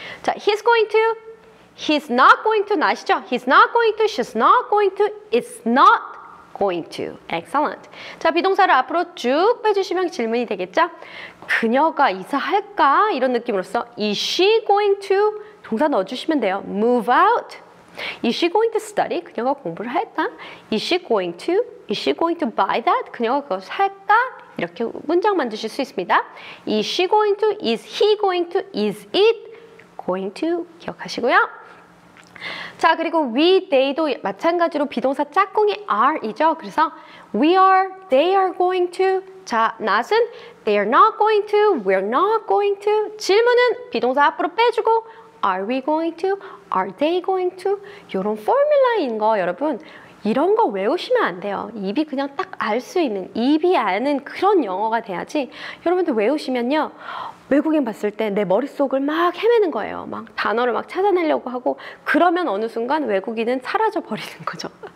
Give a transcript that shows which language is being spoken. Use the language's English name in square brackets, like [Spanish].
[English] 자, he's going to, he's not going to [Korean] 아시죠? [English] He's not going to, she's not going to, it's not going to. Excellent. [Korean] 자, 비동사를 앞으로 쭉 빼주시면 질문이 되겠죠? 그녀가 이사할까? 이런 느낌으로써 [English] is she going to? [Korean] 동사 넣어주시면 돼요. [English] Move out. Is she going to study? [Korean] 그녀가 공부를 할까? [English] Is she going to? Is she going to buy that? [Korean] 그녀가 그거 살까? 이렇게 문장 만드실 수 있습니다. [English] Is she going to? Is he going to? Is it going to? [Korean] 기억하시고요. 자, 그리고 we, they도 마찬가지로 비동사 짝꿍이 are이죠. [English] 그래서 we are, they are going to. 자, not은 they are not going to, we are not going to. [Korean] 질문은 비동사 앞으로 빼주고 [English] Are we going to? Are they going to? [Korean] 이런 포뮬라인 거 여러분 이런 거 외우시면 안 돼요. 입이 그냥 딱 알 수 있는 입이 아는 그런 영어가 돼야지 여러분들 외우시면요 외국인 봤을 때 내 머릿속을 막 헤매는 거예요. 막 단어를 막 찾아내려고 하고 그러면 어느 순간 외국인은 사라져 버리는 거죠.